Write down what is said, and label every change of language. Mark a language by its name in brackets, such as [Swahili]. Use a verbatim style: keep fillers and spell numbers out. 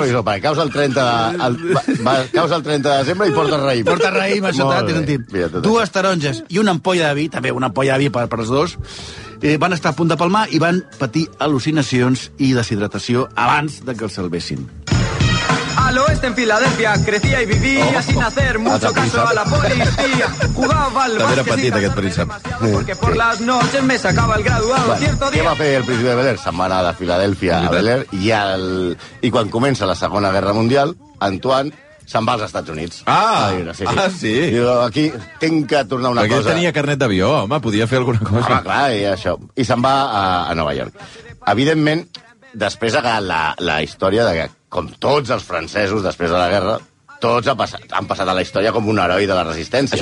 [Catalan] previsor, perquè caus el trenta de, el, va, va, caus el trenta de desembre i portes raïm. Portes raïm, això té sentit. Mira, Dues això. Taronges i una ampolla de vi, també una ampolla de vi per, per els dos, eh, van estar a punt de palmar i van patir al·lucinacions i deshidratació abans de que els salvessin. [Spanish] Al oeste en Filadelfia crecía y vivía oh, sin hacer mucho caso a la policía. Jugaba al básquet sin cansarme demasiado porque por las noches me sacaba el graduado. Bueno, cierto día... [Catalan] Què va fer el príncipe de Bel Air? Setmana de Filadelfia a Bel Air i, el... i quan comença la Segona Guerra Mundial, Antoine se'n va als Estats Units. Ah, ah, sí. ah, sí. Diu, aquí tinc que tornar una Perquè cosa. Perquè tenia carnet d'avió, home, podia fer alguna cosa. Home, clar, i això. I se'n va a, a Nova York. Evidentment, després ha acabat la, la història de que, com tots els francesos, després de la guerra, tots han passat, han passat a la història com un heroi de la resistència.